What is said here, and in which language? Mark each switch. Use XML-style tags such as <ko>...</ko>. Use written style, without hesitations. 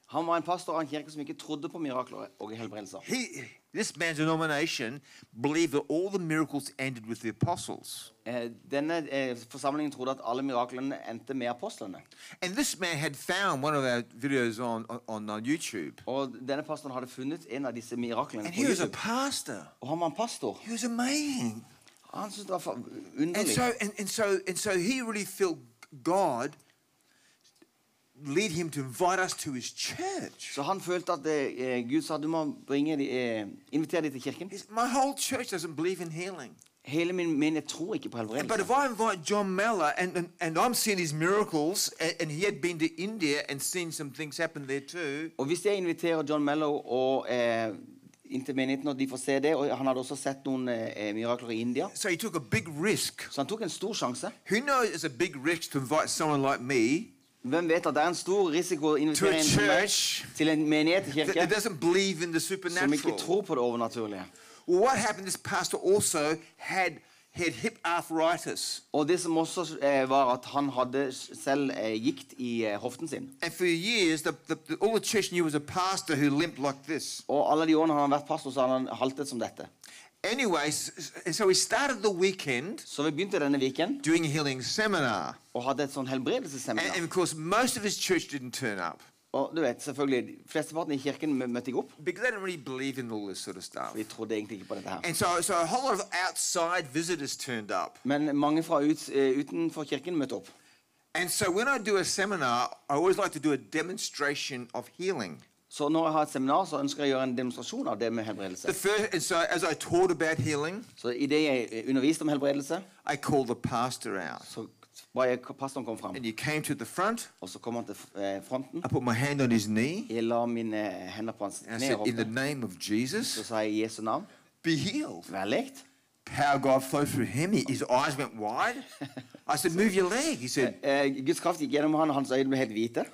<no>Han var en pastor av en kirke som ikke trodde på mirakler og helbredelse.</no> <en>This man's denomination believed that all the miracles ended with the apostles.</en> <no>Denne forsamlingen trodde at alle miraklene endte med apostlene.</no> <en>And this man had found one of our videos on YouTube.</en> <no>Og denne pastoren hadde funnet en av disse miraklene.</no> <en>And he was a pastor.</en> <no>Og han var en pastor.</no> <en>He was amazing. And so he really felt God lead him to invite us to his church.</en> <no>Så han følte at Gud sa du må bringe invitere deg til kirken.</no> <en>My whole church doesn't believe in healing.</en> <no>Hele min menighet tror ikke på helbredelse.</no> <en>But if I invite John Mellor and I'm seeing his miracles and he had been to India and seen some things happen there too.</en> <no>Og hvis jeg inviterer John Mellor og inte menigheten og de får se det og han hadde også sett noen mirakler I India.</no> <en>So he took a big risk.</en> <no>Så han tok en stor sjanse.</no> <en>Who knows it's a big risk to invite someone like me?</en> <no>Hvem vet at det en stor risiko å invitere en til en menighet, kirke,</no> <en>that doesn't believe in the supernatural.</en> <no>Som ikke tror på det overnaturlige.</no> <en>Well, what happened, this pastor also had hip arthritis.</en> <no>Og det som også var at han hadde selv gikt I hoften sin.</no> <en>And for years, all the church knew was a pastor who limped like this.</en> <no>Og alle de årene han vært pastor, så hadde han haltet som dette.</no> <en>Anyway, so we started the weekend.</en> <no>Så vi begynte denne weekend</no> <en>doing a healing seminar.</en> <no>Og hadde et sånn helbredelsesseminar.</no> <en>And of course, most of his church didn't turn up.</en> <no>Og du vet, selvfølgelig, de fleste partene I kirken møtte ikke opp.</no> <en>Because they didn't really believe in all this sort of stuff.</en> <no>De trodde egentlig ikke på dette her.</no> <en>And so a whole lot of outside visitors turned up.</en> <no>Men mange fra utenfor kirken møtte opp.</no> <en>And so when I do a seminar, I always like to do a demonstration of healing.</en> <no>Så når jeg har et seminar, så ønsker jeg å gjøre en demonstrasjon av det med helbredelse.</no> <en>So as I taught about healing,</en> <no>så I det jeg underviste om helbredelse,</no> <en>I called the pastor out.</en> <no>Så var jeg, pastoren kom frem.</no> <en>And he came to the front.</en> <no>Og så kom han til fronten.</no> <en>I put my hand on his knee.</en> <no>Jeg la mine hender på hans knær.</no> <en>And I said, in the name of Jesus,</en> <no>så sa jeg I Jesu navn,</no> <en>be healed.</en> <no>Vær lekt.</no> <en>Power God flowed through him. His eyes went wide. I said, move your leg. He said,</en> <no>Guds kraft gikk gjennom han, og hans øyne ble helt hvite.</no>